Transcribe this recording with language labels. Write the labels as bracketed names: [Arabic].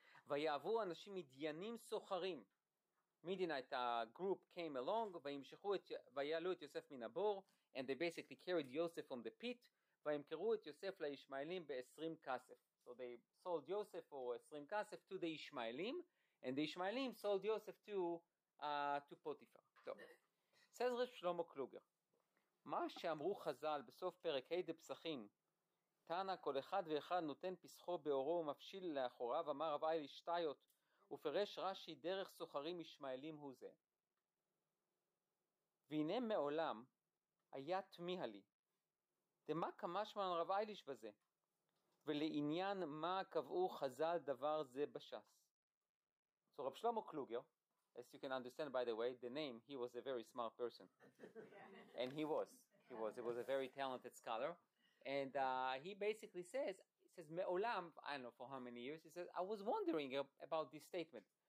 [Hebrew] Vayavu anashim midyanim socharim. [English] Midianite group came along, [Hebrew] vayalu et Yosef min habor, [English] and they basically carried Yosef from the pit, [Hebrew] vayimkeru et Yosef leishmaelim be'esrim kasef. [English] So they sold Yosef or esrim kasef to the Ishmaelim, and the Ishmaelim sold Yosef to Potiphar. So, says Reb Shlomo Kluger, [Hebrew] מה שאמרו חז"ל בסוף פרק ה' דפסחים, תנא כל אחד ואחד נותן פסחו באורו ומפשיל לאחוריו, אמר רב אייל שטיות, ופרש רש"י דרך סוחרים ישמעאלים הוא זה. והנה מעולם היה תמיה לי, דמה כמשמען רב אייליש בזה, ולעניין מה קבעו חז"ל דבר זה בש"ס. [English] So רב שלמה קלוגר, as you can understand, by the way, the name, he was a very smart person. And he was a very talented scholar. And he basically says, Me'olam, I don't know for how many years, he says, I was wondering about this statement.